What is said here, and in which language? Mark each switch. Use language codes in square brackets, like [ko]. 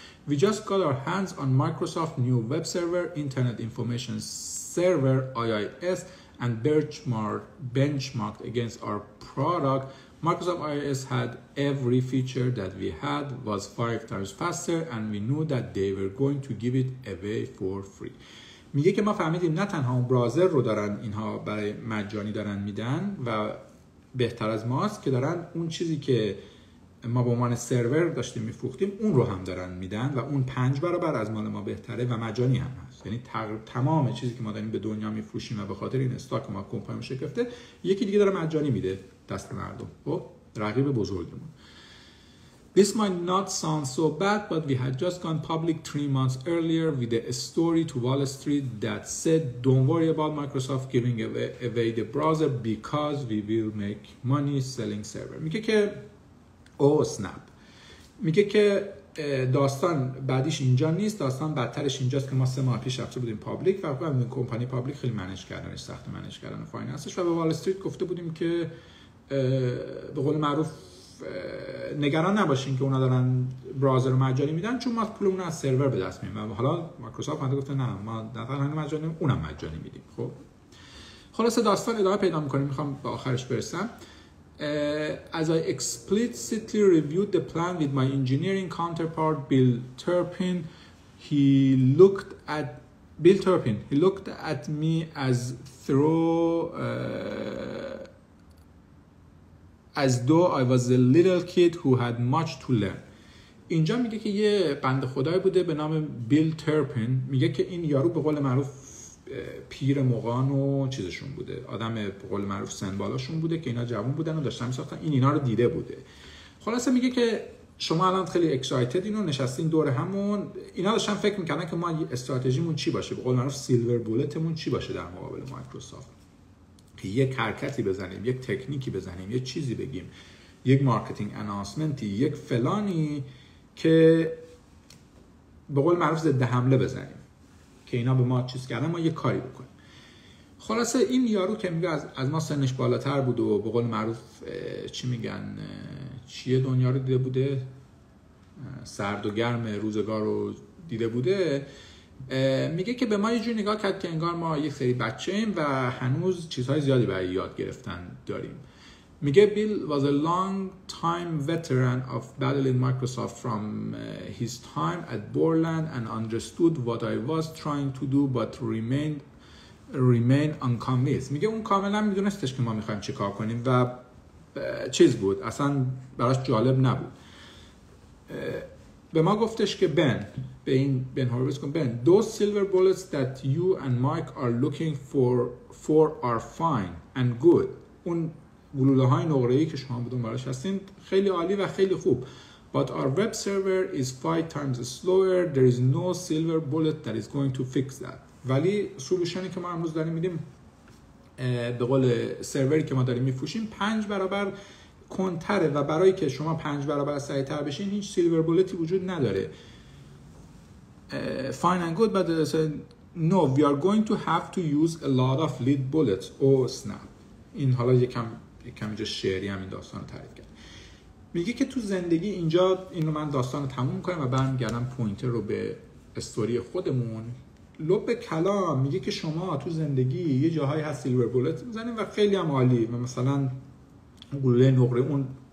[en] We just got our hands on Microsoft new web server, internet information server, IIS and benchmarked against our product. Microsoft IIS had every feature that we had, was 5 times faster, and we knew that they were going to give it away for free. [fa] میگه که ما فهمیدیم نه تنها اون برازر رو دارن اینها برای مجانی دارن میدن و بهتر از ماست، که دارن اون چیزی که ما به عنوان سرور داشتیم میفروختیم اون رو هم دارن میدن و اون 5 برابر از مال ما بهتره و مجانی هم هست. یعنی تمام چیزی که ما داریم به دنیا میفروشیم و به خاطر این استاک ما کمپانی شکفته، یکی دیگه داره مجانی میده دست مردم. خب رقیب بزرگمون. [en] This might not sound so bad, but we had just gone public 3 months earlier with a story to Wall Street that said, don't worry about Microsoft giving away the browser because we will make money selling server. [fa] میگه که [en] oh snap. [fa] میگه که داستان بعدیش اینجا نیست، داستان بدترش اینجاست که ما 3 ماه پیش رفته بودیم پابلیک و خب کمپانی پابلیک خیلی منیج کردنش سخت، منیج کردن فایننسش، و به وال استریت گفته بودیم که به قول معروف نگران نباشین که اونا دارن برازر رو مجانی میدن، چون ما پولمون از سرور به دست میاریم. حالا مایکروسافت اومد گفت نه ما نه مجانی، اونم مجانی میدیم. خب خلاصه داستان ادامه پیدا میکنه، میخوام به آخرش برسم. [en] As I explicitly reviewed the plan with my engineering counterpart Bill Turpin, he looked at me as though I was a little kid who had much to learn. [fa] اینجا میگه که یه بنده خدای بوده به نام بیل ترپین، میگه که این یارو به قول معروف پیر مغان و چیزشون بوده، آدم به قول معروف سنبالاشون بوده که اینا جوان بودن و داشتن میساختن، اینا رو دیده بوده. خلاصه میگه که شما الان خیلی اکسایتد اینو نشستین دور همون، اینا داشتن فکر میکردن که ما استراتژیمون چی باشه، به قول معروف سیلور بولتمون چی باشه در مقابل مایکروسافت، یک حرکتی بزنیم، یک تکنیکی بزنیم، یک چیزی بگیم، یک مارکتینگ اناونسمنتی، یک فلانی که به قول معروف ضد حمله بزنیم که اینا به ما چیز کردن، ما یک کاری بکنیم. خلاصه این یارو که میگه از ما سنش بالاتر بود و به قول معروف چی میگن چیه دنیا رو دیده بوده، سرد و گرم روزگار رو دیده بوده، میگه که به ما یه جور نگاه کرد که انگار ما یه سری بچه ایم و هنوز چیزهای زیادی برای یاد گرفتن داریم. میگه [en] Bill was a long time veteran of battling Microsoft from his time at Borland and understood what I was trying to do but remained unconvinced. [fa] میگه اون کاملا میدونستش که ما میخواییم چه کار کنیم و چیز بود، اصلا براش جالب نبود. به ما گفتش که [en] Ben Horowitz those silver bullets that you and Mike are looking for are fine and good. [fa] اون گلوله های نقره ای که شما بدون براش هستین خیلی عالی و خیلی خوب. [en] But our web server is 5 times slower. There is no silver bullet that is going to fix that. [fa] ولی سولوشنی که ما امروز داریم میدیم به قول سروری که ما داریم میفروشیم 5 برابر کنتره و برای که شما 5 برابر سریع تر بشین هیچ سیلور بولتی وجود نداره. [en] Fine and good, but no, we are going to have to use a lot of lead bullets. Oh snap. [fa] این حالا یکم اینجا شعری هم این داستان رو تعریف کرد. میگه که تو زندگی اینجا این رو من داستان رو تموم کنم و برم گردم پوینتر رو به استوری خودمون. لب کلام میگه که شما تو زندگی یه جاهایی هست سیلور بولت میزنیم و خیلی هم عالی و مثلا گلوله نقره اون